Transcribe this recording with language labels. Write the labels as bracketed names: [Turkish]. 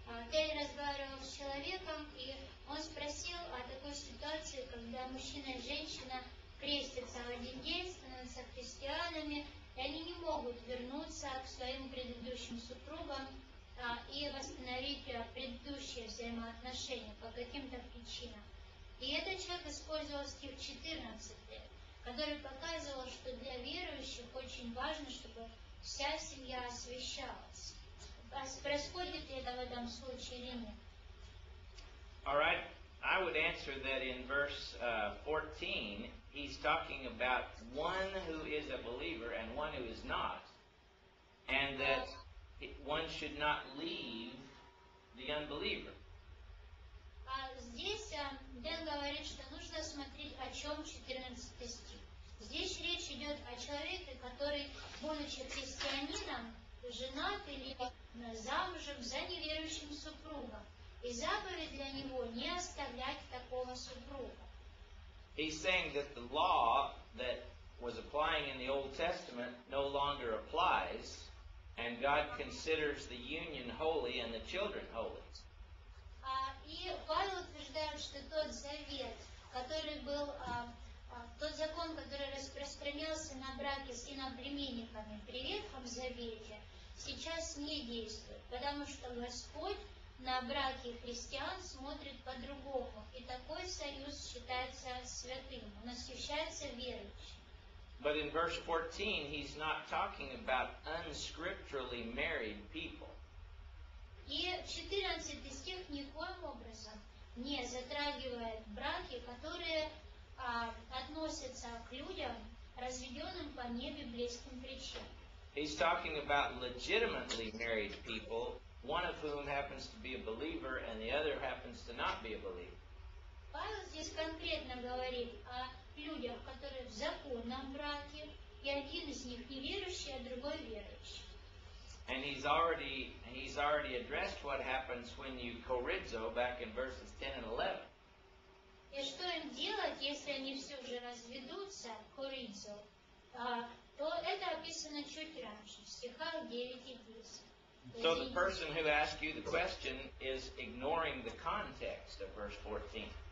[Russian] Тель разговаривал с человеком, и он спросил о такой ситуации, когда мужчина и женщина крестятся в один день, становятся христианами, и они не могут вернуться к своим предыдущим супругам и восстановить предыдущие взаимоотношения по каким-то причинам. И этот человек использовал стих 14, который показывал, что для верующих очень важно, чтобы вся семья освящалась. [English] All right, I would answer that in verse 14, he's talking about one who is a believer and one who is not, and that one should not leave the unbeliever. [Russian] Здесь Дэн говорит, что нужно смотреть, о чем 14 стих. Здесь речь идет о человеке, который, будучи христианином, женат или замужем за неверующим супругом. И заповедь для него не оставлять такого супруга. [English] He's saying that the law that was applying in the Old Testament no longer applies, and God considers the union holy and the children holy. [Russian] И Павел утверждает, что тот завет, который был, тот закон, который распространялся на браке с иноплеменниками при Ветхом Завете, сейчас не действует, потому что Господь на браке христиан смотрит по-другому, и такой союз считается святым, он освящается верующим. [English] But in verse 14, he's not talking about unscripturally married people. [Russian] И 14 стих никоим образом не затрагивает браки, которые относятся к людям, разведенным по небиблейским причинам. [English] He's talking about legitimately married people, one of whom happens to be a believer and the other happens to not be a believer. [Russian] Павел здесь конкретно говорит о людях, которые в законном браке, и один из них неверующий, а другой верующий. [English] And he's already addressed what happens when you chorizo back in verses 10 and 11. [Russian] И что им делать, если они все же разведутся, chorizo, то это описано чуть раньше, в стихах 9 и 10. [English] So the person who asked you the question is ignoring the context of verse 14.